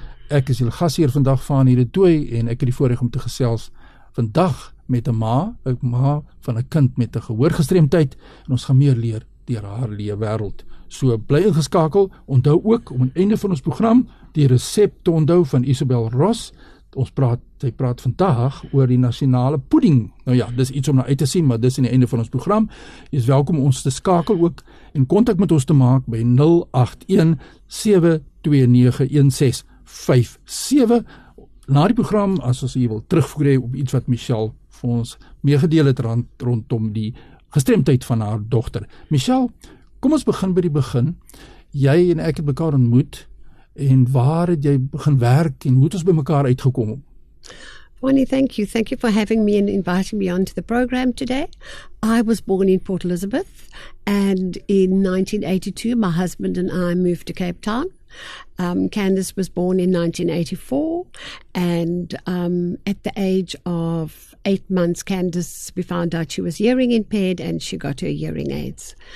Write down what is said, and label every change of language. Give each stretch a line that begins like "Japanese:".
Afrikaans: Ek is julle gasheer vandag van hierdie toe en ek het die voorreg om te gesels vandag met 'n ma van 'n kind met 'n gehoorgestremdheid en ons gaan meer leer deur haar lewe wêreld. So bly ingeskakel, onthou ook om aan die einde van ons program die resept te onthou van Isabel Ross. Sy praat vandag oor die nasionale pudding. Nou ja, dis iets om na uit te sien, maar dis aan die einde van ons program. Jy is welkom ons te skakel ook en kontak met ons te maak by 0817291657. Na die program, as ons jy wil terugvoer op iets wat Michelle vir ons meegedeel het rondom die gestremdheid van haar dogter. Michelle, kom ons begin by die begin. Jy en ek het mekaar ontmoet. En waar het jy begin werk en hoe het ons by mekaar uitgekom?
English: Bonnie, thank you. Thank you for having me and inviting me onto the program today. I was born in Port Elizabeth and in 1982 my husband and I moved to Cape Town. Candace was born in 1984 and at the age of 8 months Candace, we found out she was hearing impaired and she got her hearing aids.